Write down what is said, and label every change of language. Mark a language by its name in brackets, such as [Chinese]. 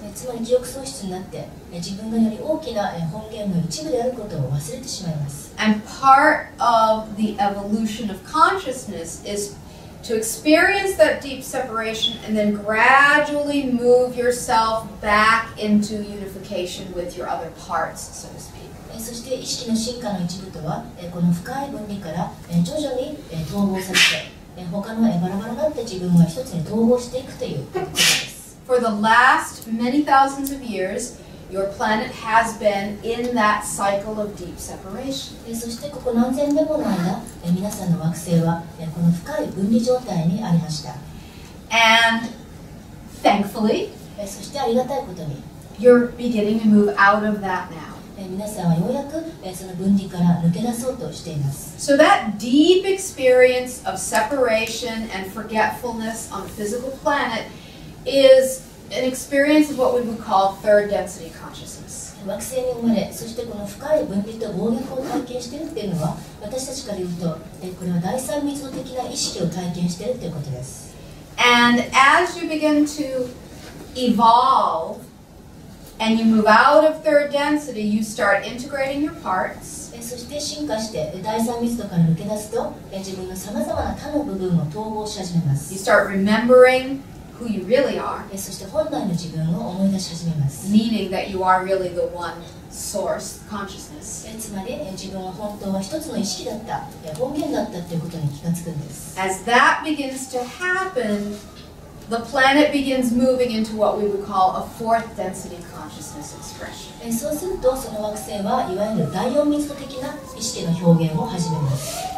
[English] And part of the evolution of consciousness is to experience that deep separation and then gradually move yourself back into unification with your other parts, so to speak. [Japanese] そして意識の進化の一部とは、この深い分離から徐々に統合させて、他のバラバラになって自分が一つに統合していくということです。 [English] For the last many thousands of years, your planet has been in that cycle of deep separation. [Japanese] そしてここ何千年もの間、皆さんの惑星はこの深い分離状態にありました。 [English] And thankfully, [Japanese] そしてありがたいことに、 [English] you're beginning to move out of that now. [Japanese] 皆さんはようやくその分離から抜け出そうとしています。 [English] So that deep experience of separation and forgetfulness on the physical planet is an experience of what we would call third density consciousness. [Japanese] 惑星に生まれ、そしてこの深い分離と忘却を体験しているっていうのは、私たちから言うと、これは第三密度的な意識を体験しているということです。 [English] And as you begin to evolve,And you move out of third density, you start integrating your parts. [Japanese] そして進化して第三密度から抜け出すと、自分のさまざまな他の部分を統合し始めます。 [English] You start remembering who you really are. [Japanese] そして本来の自分を思い出し始めます。 [English] Meaning that you are really the one source consciousness. [Japanese] つまり自分は本当は一つの意識だった、本源だったということに気がつくんです。 [English] As that begins to happen. The planet begins moving into what we would call a fourth density consciousness expression. And [Japanese] そうするとその惑星はいわゆる第四密度的な意識の表現を始めます。